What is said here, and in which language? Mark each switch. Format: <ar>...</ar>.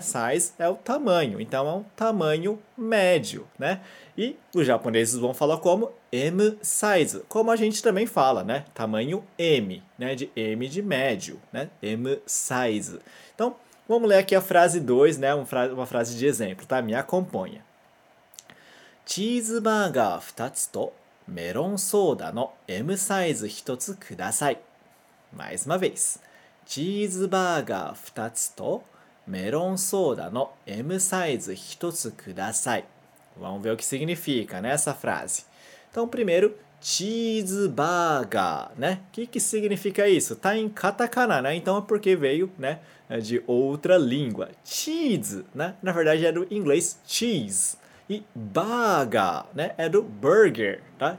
<pt>Size é o tamanho, então é um tamanho médio, né? E os japoneses vão falar como M size, como a gente também fala, né? Tamanho M, né? De M de médio, né? M size. Então, vamos ler aqui a frase 2, né? Uma frase de exemplo, tá? Me acompanha.</pt> <ja>チーズバーガー2つとメロンソーダの M サイズ1つください。</ja> <pt>Mais uma vez。</pt> <ja>チーズバーガー2つとメロンソーダの M サイズ1つください。</ja> <pt>Vamos ver o que significa nessa frase. Então, primeiro, cheeseburger, né? O que que significa isso? Tá em katakana, né? Então é porque veio, né, de outra língua. Cheese, né? Na verdade é do inglês cheese. E burger, né? É do burger, tá?</pt>